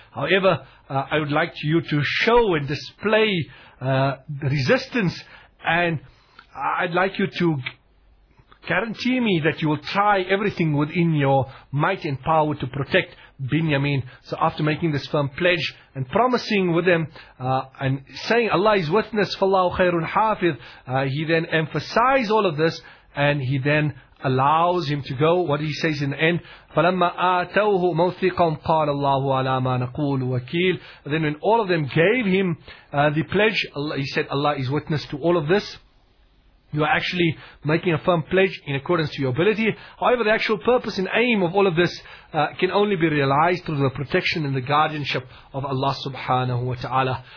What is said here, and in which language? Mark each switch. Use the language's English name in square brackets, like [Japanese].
[English] However, I would like you to show and display resistance, and I'd like you to guarantee me that you will try everything within your might and power to protect Binyamin. So after making this firm pledge and promising with them and saying Allah is witness, [Arabic] فَاللَّهُ خَيْرٌ حَافِظٌ, [English] he then emphasized all of this and he then allows him to go. What he says in the end, [Arabic] فَلَمَّا آتَوْهُ مَوْثِقًا قَالَ اللَّهُ عَلَىٰ مَا نَقُولُ وَكِيلٌ. [English] Then when all of them gave him the pledge, he said Allah is witness to all of this. You are actually making a firm pledge in accordance to your ability. However, the actual purpose and aim of all of this can only be realized through the protection and the guardianship of Allah subhanahu wa ta'ala.